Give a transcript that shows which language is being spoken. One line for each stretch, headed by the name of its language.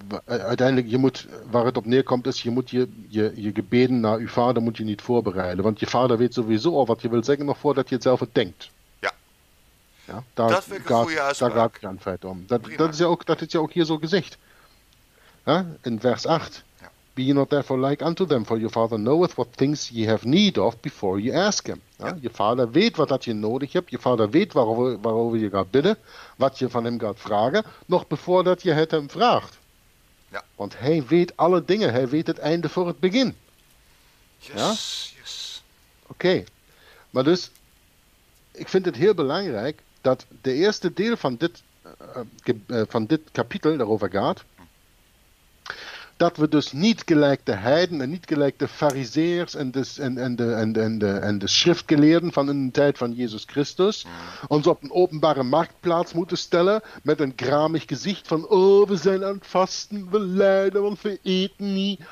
Dutch: Uiteindelijk, je moet, waar het op neerkomt is, je moet je gebeden naar je vader moet je niet voorbereiden, want je vader weet sowieso al wat je wil zeggen, nog voordat je het zelf denkt. Ja, daar gaat het dan feit om. Dat is ja ook hier zo gezegd. Ja, in vers 8. Ja.
English: Be ye not therefore like unto them, for your father knoweth what things ye have need of before ye ask him.
Dutch: Ja, je vader weet wat dat je nodig hebt. Je vader weet waarover je gaat bidden. Wat je van hem gaat vragen. Nog bevor dat je het hem vraagt. Ja. Want hij weet alle dingen. Hij weet het einde voor het begin. Yes, ja? Yes. Oké. Okay. Maar dus, ik vind het heel belangrijk dat de eerste deel van dit kapitel daarover gaat, dat we dus niet gelijk de heiden en niet gelijk de fariseers en de schriftgeleerden van in de tijd van Jezus Christus ons op een openbare marktplaats moeten stellen met een gramig gezicht van oh, we zijn aan het vasten, we lijden, want we eten niet.